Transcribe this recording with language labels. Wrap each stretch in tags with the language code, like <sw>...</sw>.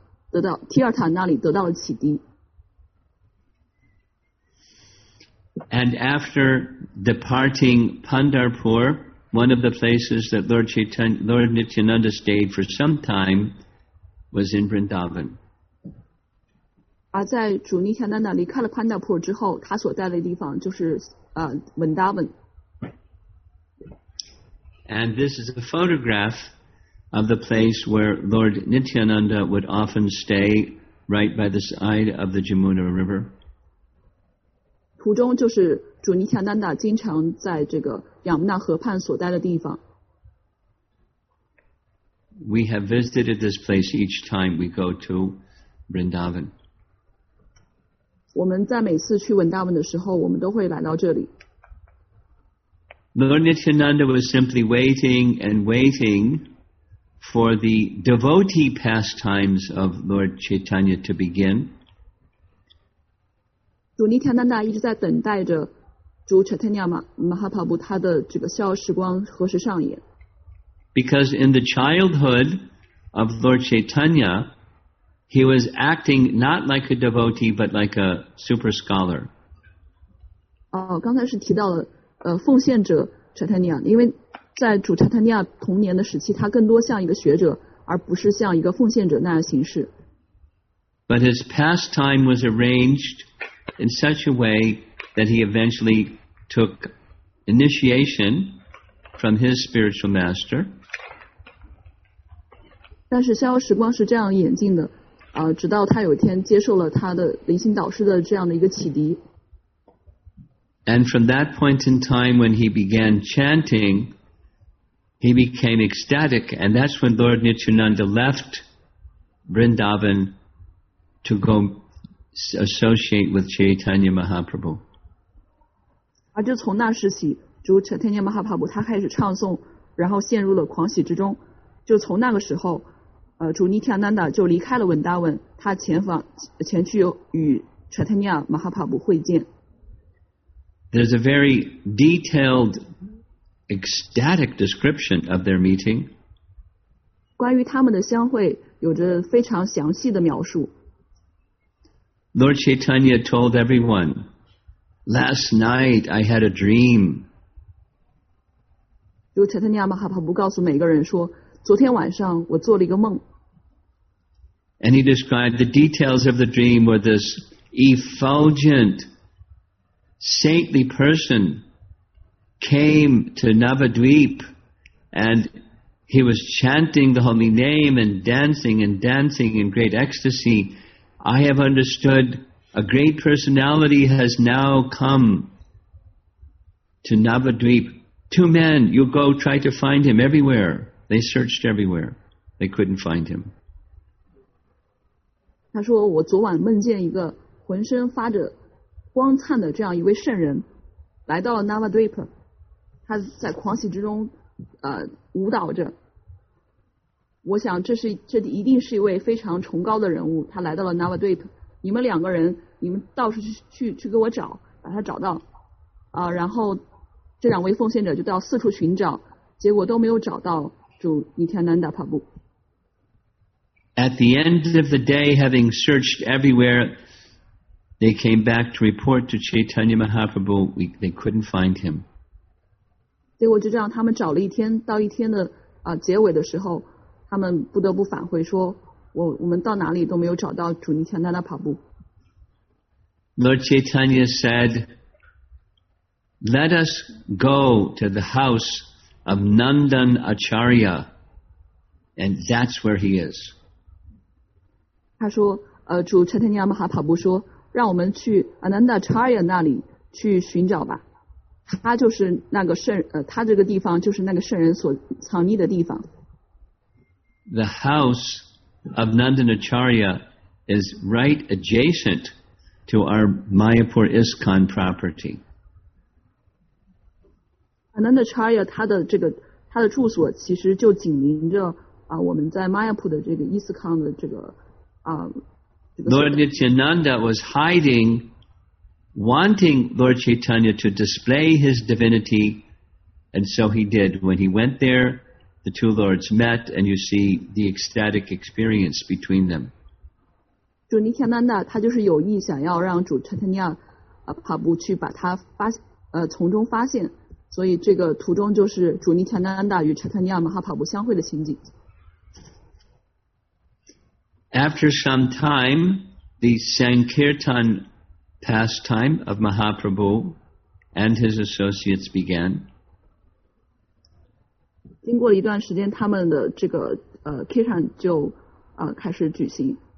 <zh>得到提尔塔那里得到了启迪。</zh> <en>And after departing Pandharpur, one of the places that Lord Nityananda stayed for some time was in Vrindavan.</en> <zh>而在主尼塔那那离开了潘达普之后，他所在的地方就是文达文。</zh> <en>And this is a photograph of the place where Lord Nityananda would often stay right by the side of the Jamuna River.</en> <zh>途中就是主尼塔那那经常在这个亚姆纳河畔所待的地方。</zh> <en>We have visited this place each time we go to Vrindavan.</en> <zh>我们在每次去文达文的时候，我们都会来到这里。</zh> <en>Lord Nityananda was simply waiting and waiting for the devotee pastimes of Lord Chaitanya to begin.</en> <zh>主尼塔那那一直在等待着主 Chaitanya Mahaprabhu 他的这个逍遥时光何时上演。</zh> <en>Because in the childhood of Lord Chaitanya, he was acting not like a devotee but like a super scholar.</en> <zh>刚才是提到了奉献者 Chaitanya， 因为在主 Chaitanya 童年的时期，他更多像一个学者，而不是像一个奉献者那样形式。</zh> <en>But his pastime was arranged in such a way that he eventually took initiation from his spiritual master.</en> <zh>但是逍遥时光是这样演进的，直到他有一天接受了他的灵性导师的这样的一个启迪。</zh> <en>And from that point in time when he began chanting, he became ecstatic, and that's when Lord Nityananda left Vrindavan to go associate with Chaitanya Mahaprabhu.</en> <zh>而就从那时起，主 Chaitanya Mahaprabhu 他开始唱诵，然后陷入了狂喜之中。就从那个时候，主 Nityananda 就离开了文达文，他前去与 Chaitanya Mahaprabhu 会见。</zh> <en>There's a very detailed, ecstatic description of their meeting.</en> <zh>关于他们的相会有着非常详细的描述。</zh> <en>Lord Chaitanya told everyone, "Last night I had a dream."</en> <zh>就查特尼亚马哈帕布告诉每个人说，昨天晚上我做了一个梦。</zh> <en>And he described the details of the dream were this effulgent. Saintly person came to Navadvip and he was chanting the holy name and dancing in great ecstasy. I have understood a great personality has now come to Navadvip. Two men, you go try to find him everywhere. They searched everywhere. They couldn't find him.</en> <zh>他说我昨晚梦见一个浑身发着光灿的这样一位圣人来到了 Navadvip， 他在狂喜之中舞蹈着。我想这一定是一位非常崇高的人物，他来到了 Navadvip， 你们两个人你们到处去给我找，把他找到然后这两位奉献者就到四处寻找，结果都没有找到主尼塔南达帕布。</zh> <en>At the end of the day, having searched everywhereThey came back to report to Chaitanya Mahaprabhu. They couldn't find him.</en> <zh>结果就这样，他们找了一天，到一天的结尾的时候，他们不得不返回说，我们到哪里都没有找到主尼塔那那帕布。</zh> <en>Lord Chaitanya said, "Let us go to the house of Nandan Acharya, and that's where he is."</en> <zh>他说，主 Chaitanya Mahaprabhu 说。让我们去 Ananda Charya 那里去寻找吧，他就是那个圣他这个地方就是那个圣人所藏匿的地方。</zh> <en>The house of Nandan Acharya is right adjacent to our Mayapur ISKCON property.</en> <zh>Ananda Charya 他的住所其实就紧邻着我们在 Mayapur 的这个 ISKCON 的这个</zh> <en>Lord Nityananda was hiding, wanting Lord Chaitanya to display his divinity, and so he did. When he went there, the two lords met and you see the ecstatic experience between them.</en> <zh>主尼卡曼达他就是有意想要让主查塔尼亚帕布去把他发从中发现，所以这个途中就是主尼卡曼达与查塔尼亚马哈帕布相会的情景。</zh> <en>After some time, the Sankirtan pastime of Mahaprabhu and his associates began.</en> <zh>经过了一段时间，他们的这个Kirtan 就开始举行。</zh>